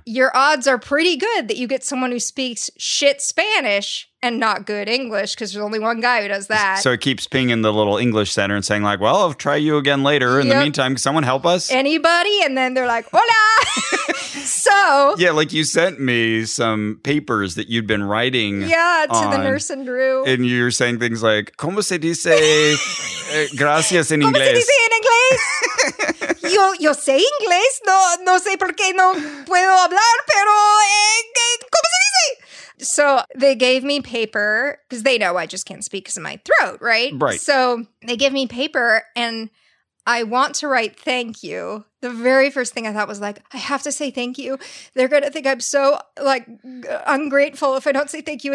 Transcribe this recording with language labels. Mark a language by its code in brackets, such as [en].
[en] Your odds are pretty good that you get someone who speaks shit Spanish and not good English because there's only one guy who does that. So it keeps pinging the little English center and saying like, well, I'll try you again later. In the meantime, can someone help us? Anybody? And then they're like, hola. So. Yeah, like you sent me some papers that you'd been writing. Yeah, to the nurse and Drew. And you're saying things like, [es] ¿Cómo se dice gracias en inglés? ¿Cómo se dice en inglés? Yo sé inglés. No sé por qué no puedo hablar, pero ¿Cómo se dice? [en] So they gave me paper because they know I just can't speak because of my throat, right? Right. So they give me paper and I want to write thank you. The very first thing I thought was like, I have to say thank you. They're going to think I'm so like ungrateful if I don't say thank you.